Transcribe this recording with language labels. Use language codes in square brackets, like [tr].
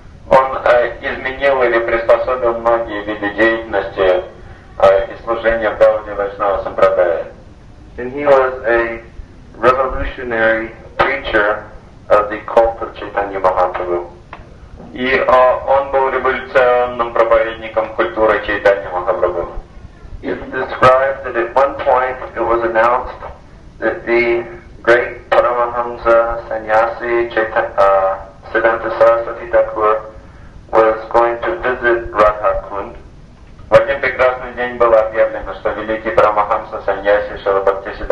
[ru] Он изменил или приспособил многие виды деятельности и служения в Гаудия Вайшнава Сампрадая. [en] And he was a revolutionary preacher of the cult of Chaitanya Mahaprabhu. [ru] И он был революционным проповедником культуры Чайтанья Махапрабху. [en] It's described that at one point it was announced that the great Paramahamsa Sannyasi Siddhanta Saraswati Thakur was going to visit Radhakund. [ru] В один прекрасный день было объявлено, что великий Парамахамса Сандьяси Шилабхакти